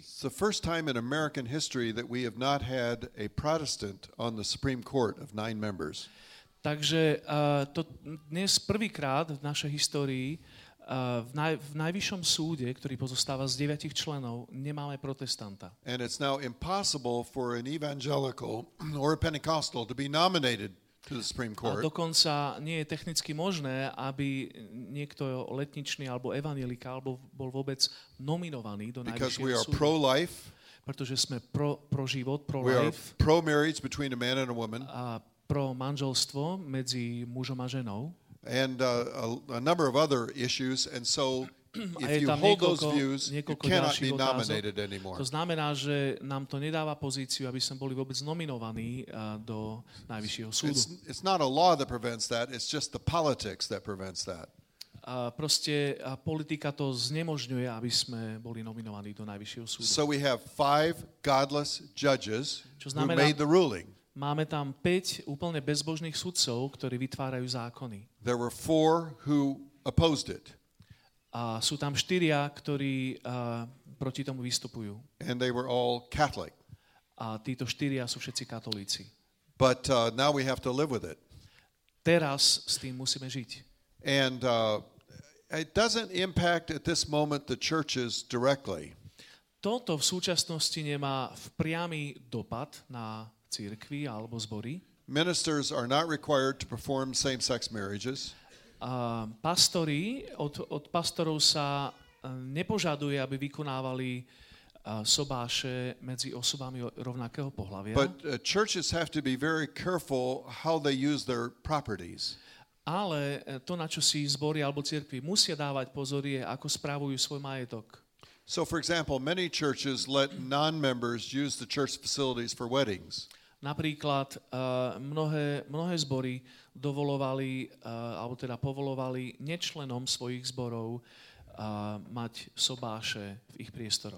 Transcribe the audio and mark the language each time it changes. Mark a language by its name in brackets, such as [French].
[English] It's the first time in American history that we have not had a Protestant on the Supreme Court of 9 members. [Slovak] Takže to dnes prvýkrát v našej histórii v najvyššom súde, ktorý pozostáva z 9 členov, nemáme protestanta. [English] And it's now impossible for an evangelical or a Pentecostal to be nominated to the Supreme Court. [Slovak] A dokonca nie je technicky možné, aby niekto letničný alebo evanjelika alebo bol vôbec nominovaný do najvyššieho súdu. [English] Because we are pro-life. [Slovak] Pretože sme pro život, pro [English] life. We are pro-marriage between a man and a woman. [Slovak] A pro manželstvo medzi mužom a ženou. [English] And a number of other issues, and so if you hold those views, you cannot be nominated anymore. [Slovak] To znamená, že nám to nedáva pozíciu, aby sme boli vôbec nominovaní do najvyššieho súdu. [English] It's not a law that prevents that, it's just the politics that prevents that. [Slovak] Proste politika to znemožňuje, aby sme boli nominovaní do najvyššieho súdu. [English] So we have 5 godless judges who made the ruling. [Slovak] Máme tam 5 úplne bezbožných sudcov, ktorí vytvárajú zákony. [English] There were 4 who opposed it. [Slovak] A sú tam 4, ktorí proti tomu vystupujú. [English] And they were all Catholic. [Slovak] A títo 4 sú všetci katolíci. [English] But now we have to live with it. [Slovak] Teraz s tým musíme žiť. [English] And it doesn't impact at this moment the churches directly. [Slovak] Toto v súčasnosti nemá priamy dopad na cirkvi alebo zbory. [English] Ministers are not required to perform same-sex marriages. [Slovak] Pastori od pastorov sa nepožaduje, aby vykonávali sobáše medzi osobami rovnakého pohlavia. [English] But churches have to be very careful how they use their properties. [Slovak] Ale to, na čo si zbory alebo cirkvi musia dávať pozor, je ako spravujú svoj majetok. [English] So for example, many churches let non-members use the church facilities for weddings. [Slovak] Napríklad mnohé zbory dovolovali alebo teda povolovali nečlenom svojich zborov mať sobáše v ich priestoroch.